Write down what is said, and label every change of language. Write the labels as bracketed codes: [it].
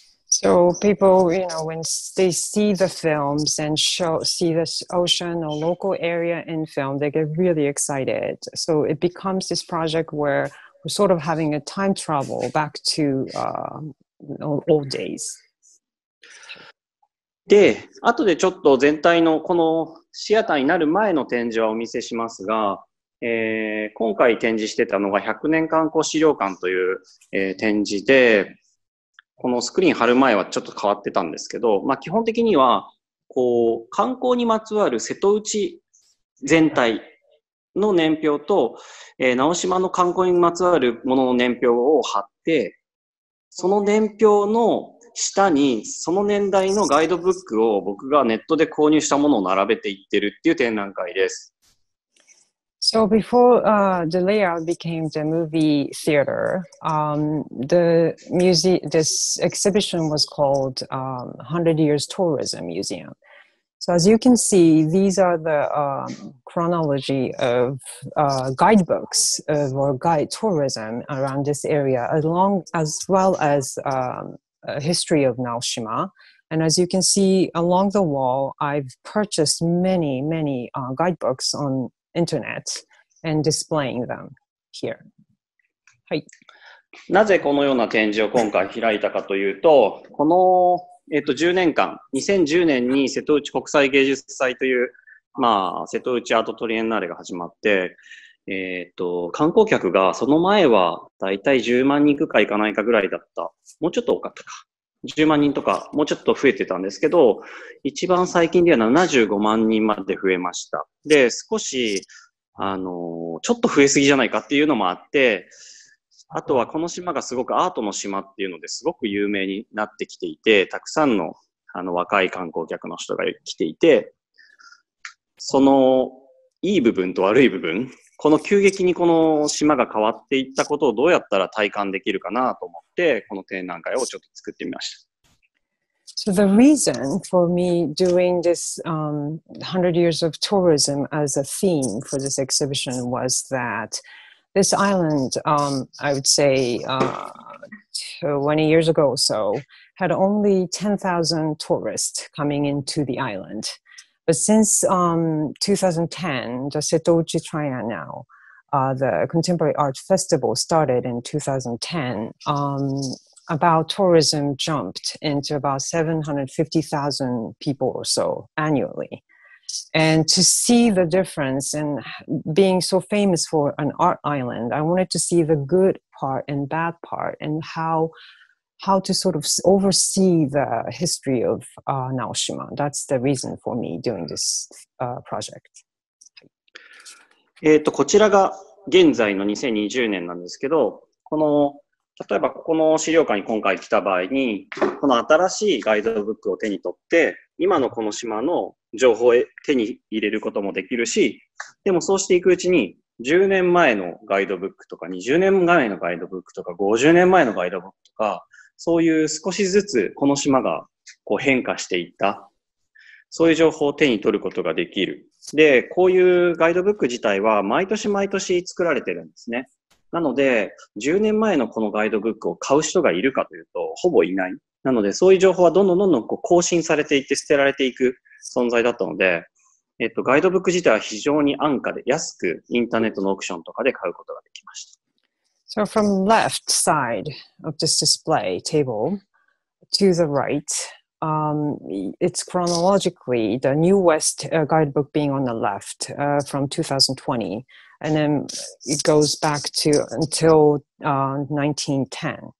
[en] So people, you know, when they see the films and show, see the ocean or local area in film, they get really excited. So it becomes this project where we're sort of having a time travel back to、old days. [ja] で、あとでちょっと全体のこのシアターになる前の展示はお見せしますが、今回展示してたのが100年観光資料館という、展示で、このスクリーン貼る前はちょっと変わってたんですけど、まあ、基本的にはこう観光にまつわる瀬戸内全体の年表と、直島の観光にまつわるものの年表を貼って、その年表の下にその年代のガイドブックを僕がネットで購入したものを並べていってるっていう展覧会です。 [en] So before, the layout became the movie theater, the museum, this exhibition was called, 100 Years Tourism Museum. So as you can see, these are the, chronology of, guidebooks of, or guide tourism around this area, along as well as, a history of Naoshima. And as you can see along the wall, I've purchased many, many, guidebooks onInternet and displaying them here. [ja] はい。なぜこのような展示を今回開いたかというと、この、10年間、2010年に瀬戸内国際芸術祭という、まあ、瀬戸内アートトリエンナーレが始まって、観光客がその前はだいたい10万人行くか行かないかぐらいだった。もうちょっと多かったか。 10万人とか、もうちょっと増えてたんですけど、一番最近では75万人まで増えました。で、少し、ちょっと増えすぎじゃないかっていうのもあって、あとはこの島がすごくアートの島っていうのですごく有名になってきていて、たくさんの、若い観光客の人が来ていて、その、いい部分と悪い部分、この急激にこの島が変わっていったことをどうやったら体感できるかなと思って、この展覧会をちょっと作ってみました。 [en] So the reason for me doing this, 100 years of tourism as a theme for this exhibition was that this island, I would say, 20 years ago or so, had only 10,000 tourists coming into the island. But since 2010, the Setouchi Triennial, the Contemporary Art Festival started in 2010, about tourism jumped into about 750,000 people or so annually. And to see the difference in being so famous for an art island, I wanted to see the good part and bad part and how to sort of oversee the history of, Naoshima. That's the reason for me doing this, project. [ja] こちらが現在の2020年なんですけど、この、例えばここの資料館に今回来た場合に、この新しいガイドブックを手に取って、今のこの島の情報を手に入れることもできるし、でもそうしていくうちに、10年前のガイドブックとか、20年前のガイドブックとか、50年前のガイドブックとか、そういう少しずつこの島がこう変化していった。そういう情報を手に取ることができる。で、こういうガイドブック自体は毎年毎年作られてるんですね。なので、10年前のこのガイドブックを買う人がいるかというと、ほぼいない。なので、そういう情報はどんどんどんどんこう更新されていって捨てられていく存在だったので、ガイドブック自体は非常に安価で安くインターネットのオークションとかで買うことができました。 [en] So from left side of this display table, to the right, it's chronologically the New West guidebook being on the left from 2020, and then it goes back to until 1910.